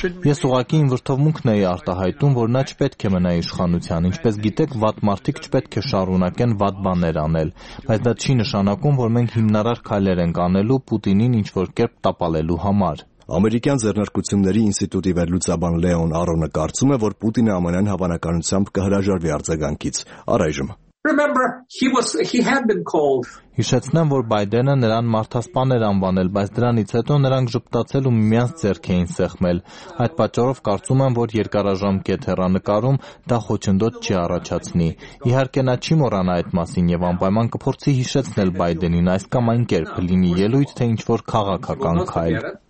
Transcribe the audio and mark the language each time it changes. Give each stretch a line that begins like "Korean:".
Armenian: Ես ուղղակի իմ վրդովմունքն էի արտահայտում, որ նա չպետք է մնա իշխանության։ Ինչպես գիտեք, վատ մարդիկ չպետք է շարունակեն վատ բաներ անել, բայց դա չի նշանակում, որ մենք հիմնարար քայլեր ենք անելու Պուտինին ինչ-որ կերպ տապալելու համար։ Ամերիկյան ձեռնարկությունների ինստիտուտի վերլուծաբան Լեոն Արոնը կարծում է, որ Պուտինը ամենայն հավանականությամբ կհրաժարվի արձագանքից առայժմ։
English: Remember, he had been called.
Armenian: Հիշեցնեմ, որ Բայդենը նրան մարդասպան էր անվանել, բայց դրանից հետո նրանք ժպտացել ու միմյանց ձեռք էին սեղմել։ Այդ պատճառով կարծում եմ, որ երկարաժամկետ հեռանկարում դա խոչընդոտ չի առաջացնի։ Իհարկե նա չի մոռանա այդ մասին եւ անպայման կփորձի հիշեցնել Բայդենին այս կամ այն կերպ լինի ելույթ, թե ինչ որ քաղաքական քայլ։